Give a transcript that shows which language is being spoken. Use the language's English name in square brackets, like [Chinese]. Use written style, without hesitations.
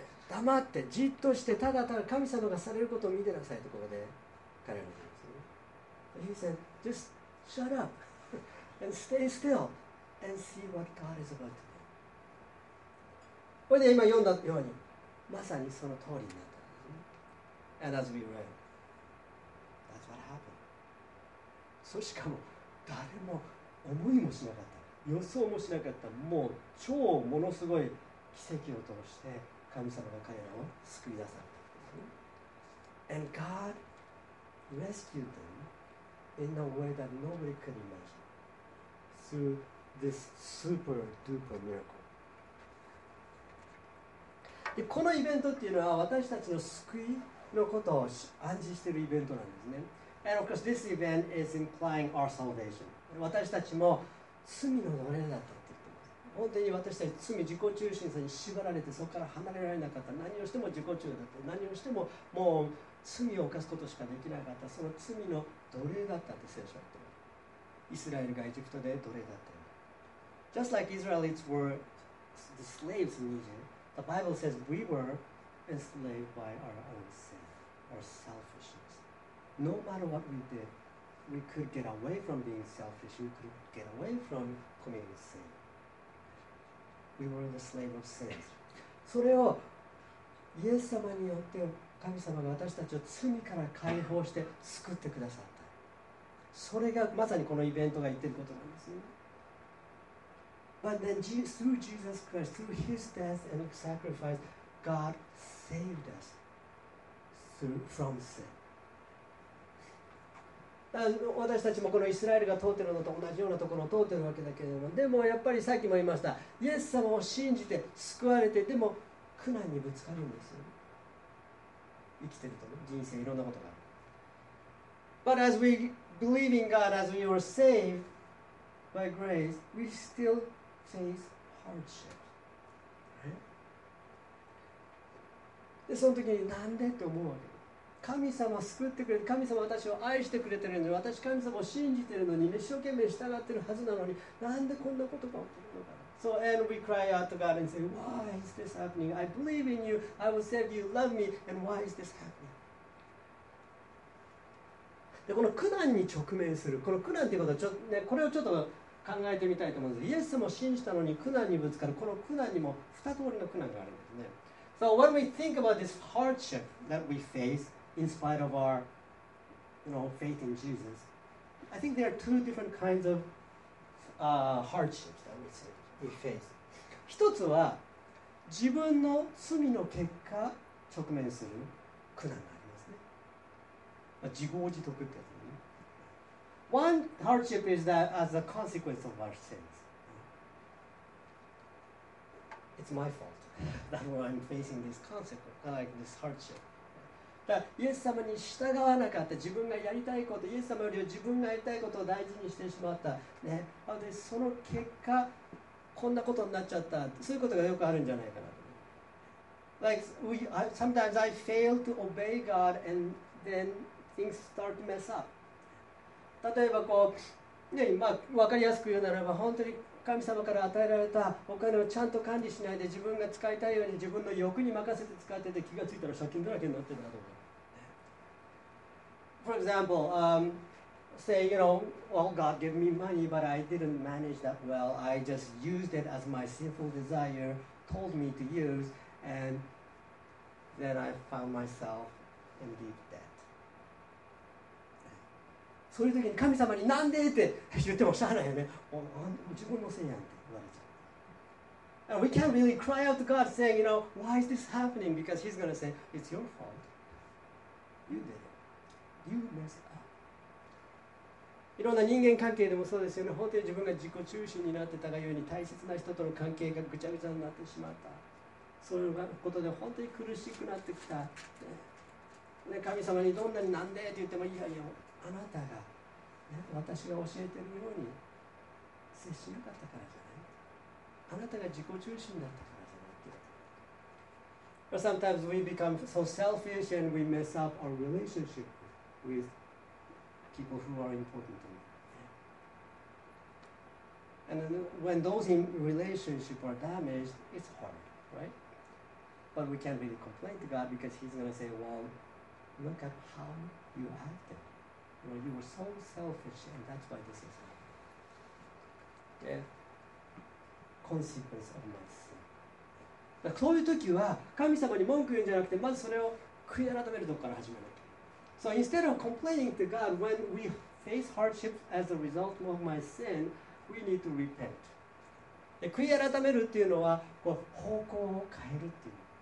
[Japanese] 黙ってじっとしてただただ神様がされることを見てなさいところで彼らが言うんですね。 [English] He said, just shut up and stay still and see what God is about to do. [Japanese] これで今読んだようにまさにその通りになったんですね。 [English] And as we read, that's what happened. [Japanese] そしかも誰も思いもしなかった、予想もしなかった、もう超ものすごい奇跡を通して神様が彼らを救い出された。 [English] And God rescued them in a way that nobody could imagine through this super duper miracle. [Japanese] で、このイベントっていうのは私たちの救いのことを暗示しているイベントなんですね。 [English] And of course, this event is implying our salvation. [Japanese] 私たちも罪の奴隷だった。本当に私たち罪、自己中心さに縛られてそこから離れられなかった。何をしても自己中だった。何をしてももう罪を犯すことしかできなかった。その罪の奴隷だったって聖書は言ってます。イスラエルがエジプトで奴隷だった。 [English] Just like Israelites were the slaves in Egypt, the Bible says we were enslaved by our own sin, our selfishness. No matter what we did, we could get away from being selfish, we could get away from committing sinWe were the slave of sin. [Japanese] それをイエス様によって神様が私たちを罪から解放して救ってくださった。それがまさにこのイベントが言っていることなんですね。 [English] But then through Jesus Christ, through His death and sacrifice, God saved us from sin. [Japanese] 私たちもこのイスラエルが通っているのと同じようなところを通っているわけだけれども、でもやっぱりさっきも言いました、イエス様を信じて救われて、でも苦難にぶつかるんですよ。生きていると、ね、人生いろんなことがある。 [English] But as we believe in God, as we are saved by grace, we still face hardship.、Right? [Japanese] で、その時になんでって思うわけ。神様救ってくれて、神様私を愛してくれてるのに、私神様を信じてるのに、一生懸命従ってるはずなのに、なんでこんなことが起きるのかな。 [English] So, and we cry out to God and say, Why is this happening? I believe in you, I will save you, love me, and why is this happening? [Japanese] で、この苦難に直面する、この苦難っていうことちょ、ね、これをちょっと考えてみたいと思うんです。イエス様を信じたのに苦難にぶつかる、この苦難にも二通りの苦難があるんですね。 [English] So, when we think about this hardship that we face,In spite of our, you know, faith in Jesus, I think there are two different kinds of hardships that we face. [Japanese] 一つは自分の罪の結果直面する苦難がありますね。自業自得ってやつね。 [English] One hardship is that as a consequence of our sins. It's my fault that I'm facing this consequence, like this hardship. [Japanese] だイエス様に従わなかった、自分がやりたいこと、イエス様よりは自分がやりたいことを大事にしてしまった、ね、でその結果こんなことになっちゃった、そういうことがよくあるんじゃないかなと。 [English] Like we, sometimes I fail to obey God and then things start to mess up。 [Japanese] 例えばこう、ね、まあ、分かりやすく言うならば、本当に神様から与えられたお金をちゃんと管理しないで、自分が使いたいように自分の欲に任せて使ってて、気がついたら借金だらけになってるなとか。 [English] For example, say, you know, well, God gave me money, but I didn't manage that well. I just used it as my sinful desire told me to use, and then I found myself in deep debt. [Japanese] そういう時に神様になんでって言ってもしゃあないよね。自分のせいやんって言われちゃう。 [English] And we can't really cry out to God saying, you know, why is this happening? Because he's going to say, it's your fault. You did it. You mess up. [Japanese] いろんな人間関係でもそうですよね。本当に自分が自己中心になってたがゆえに、大切な人との関係がぐちゃぐちゃになってしまった、そういうことで本当に苦しくなってきた、ね、神様にどんなになんでって言っても、いやいや、あなたが、ね、私が教えてるように接しなかったからじゃない、あなたが自己中心だったから。 [English] But sometimes we become so selfish and we mess up our relationshipwith people who are important to me. And then when those relationships are damaged, it's hard, right? But we can't really complain to God because he's going to say, well, look at how you acted. You know, you were so selfish and that's why this is happening. Okay? Consequence of my sin. [Japanese] だからそういう時は神様に文句言うんじゃなくて、まずそれを悔い改めるとこから始める。 [English] So instead of complaining to God when we face hardship as a result of my sin, we need to repent. [Japanese] 悔い改めるっていうのは、こう方向を変えるっていう。